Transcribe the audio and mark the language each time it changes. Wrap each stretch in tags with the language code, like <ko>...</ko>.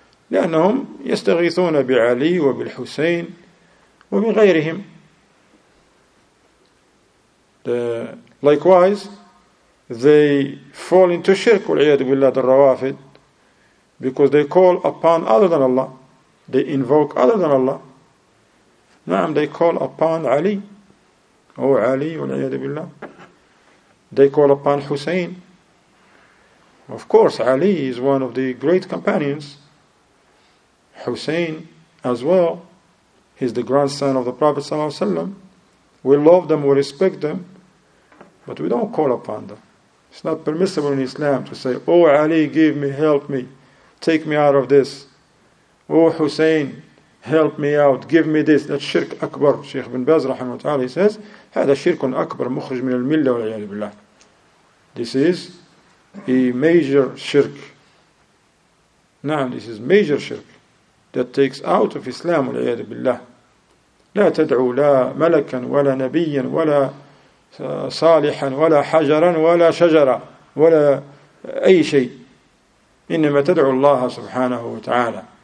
<ar>لأنهم يستغيثون بعلي وبالحسين وبغيرهم.</ar> <en>Likewise, they fall into shirk,</en> <ar>والعياذ بالله,</ar> <en>the Rawafid, because they call upon other than Allah. They invoke other than Allah. نعم, they call upon Ali. Oh, Ali,</en> <ar>والعياذ بالله.</ar> <en>They call upon Hussein. Of course, Ali is one of the great companions. Hussein as well. He's the grandson of the Prophet Sallallahu Alaihi Wasallam. We love them, we respect them. But we don't call upon them. It's not permissible in Islam to say, oh Ali, give me, help me, take me out of this. Oh Hussein, help me out, give me this. That's shirk akbar.</en> <ar>Shaykh bin Baz, rahimahu ta'ala,</ar> <en>he says,</en> <ar>هذا شرك أكبر مخرج من الملة والعياذ بالله.</ar> <en>This is a major shirk. نعم, this is major shirk that takes out of Islam</en> <ar>والعياذ بالله. لا تدعو لا ملكا ولا نبيا ولا صالحا ولا حجرا ولا شجرا ولا أي شيء, إنما تدعو الله سبحانه وتعالى.</ar>